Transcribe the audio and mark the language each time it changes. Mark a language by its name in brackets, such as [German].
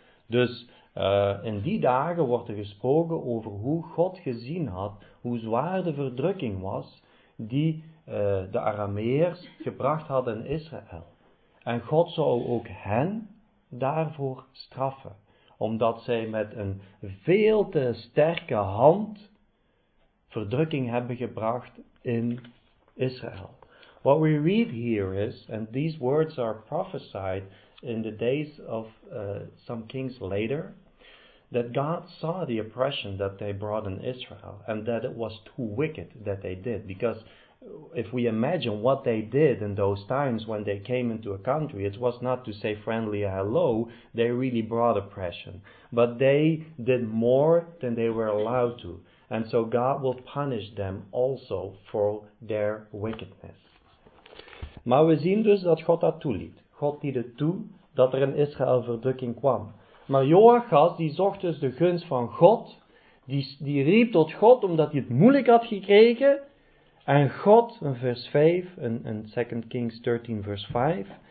[Dutch] Dus in die dagen wordt er gesproken over hoe God gezien had, hoe zwaar de verdrukking was die de Arameërs gebracht hadden in Israël. En God zou ook hen daarvoor straffen, omdat zij met een veel te sterke hand verdrukking hebben gebracht in Israël. [English] What we read here is, and these words are prophesied in the days of some kings later, that God saw the oppression that they brought in Israel, and that it was too wicked that they did. Because if we imagine what they did in those times when they came into a country, it was not to say friendly hello, they really brought oppression. But they did more than they were allowed to. And so God will punish them also for their wickedness. [Dutch] Maar we zien dus dat God dat toeliet. God liet het toe dat er in Israël verdrukking kwam. Maar Joachas, die zocht dus de gunst van God, die riep tot God omdat hij het moeilijk had gekregen. En God, in vers 5, in 2 Kings 13, vers 5.